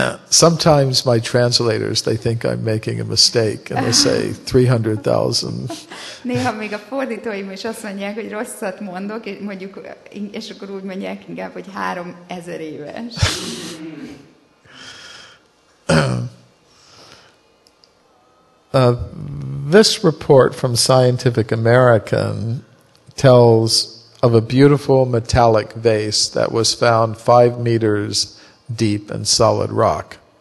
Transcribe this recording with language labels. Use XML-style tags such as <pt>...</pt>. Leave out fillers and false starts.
<en>Sometimes my translators, they think I'm making a mistake and they say 300,000.</en> <hu>Néha még a fordítóim is azt mondják, hogy rosszat mondok, mondjuk, és akkor úgy mondják inkább, hogy 3000 éves.</hu> <en>This report from Scientific American tells of a beautiful metallic vase that was found 5 meters deep in solid rock.</en>